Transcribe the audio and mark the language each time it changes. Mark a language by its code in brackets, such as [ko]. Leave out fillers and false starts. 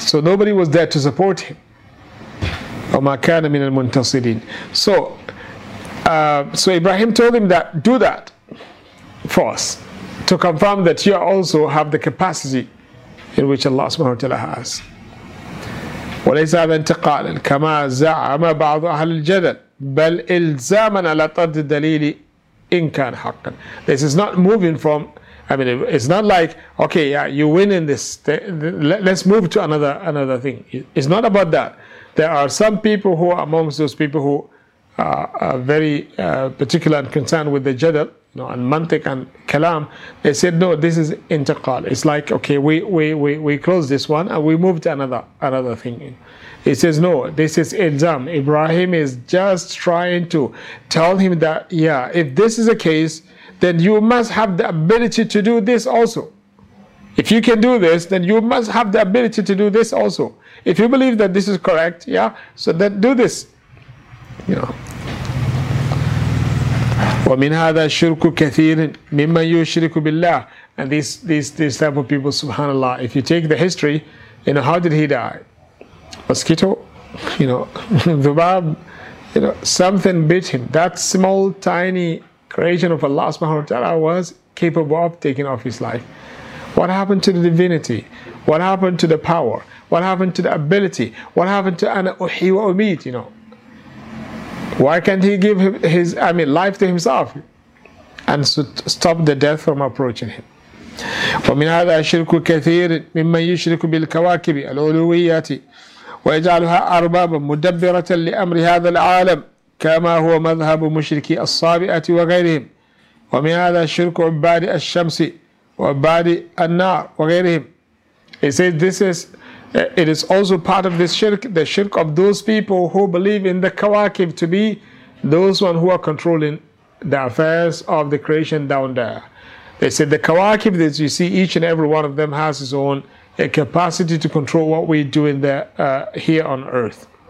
[en] So nobody was there to support him. [ar] وَمَا كَانَ مِنَ الْمُنْتَصِرِينَ. [en] So, So Ibrahim told him that, do that for us, to confirm that you also have the capacity in which Allah subhanahu wa ta'ala has. [ar] وليس هذا انتقالا كما زعم بعض أهل الجدل بل إلزاما على طرد الدليل إن كان حقا. [en] This is not moving from, I mean, it's not like, okay, yeah, you win in this, let's move to another thing. It's not about that. There are some people who are amongst those people who are very particular and concerned with the jadal, you know, and mantik and kalam. They said, no, this is intiqal. It's like, okay, we close this one and we move to another thing. He says, no, this is ilzam. Ibrahim is just trying to tell him that, yeah, if this is the case, then you must have the ability to do this also. If you can do this, then you must have the ability to do this also. If you believe that this is correct, yeah, so then do this. [ar] ومن هذا الشرك كثير ممن يشرك بالله. [en] And these type of people, subhanAllah, if you take the history, you know, how did he die? Mosquito, you know, dhubab, you know, something bit him. That small, tiny creation of Allah subhanahu wa ta'ala was capable of taking off his life. What happened to the divinity? What happened to the power? What happened to the ability? What happened to [ar] an uhi wa umit, [en] you know? Why can't he give his, I mean, life to himself and stop the death from approaching him? [ar] ومن هذا الشرك كثير ممن يشرك بالكواكب الألوهيات ويجعلها أربابا مدبرة لأمر هذا العالم كما هو مذهب مشركي الصابئة وغيرهم. ومن هذا الشرك عباد الشمس وعباد النار وغيرهم. [en] He says this is, it is also part of this shirk, the shirk of those people who believe in the kawakib to be those one who are controlling the affairs of the creation down there. They said the kawakib, that you see, each and every one of them has his own capacity to control what we do in there, here on earth.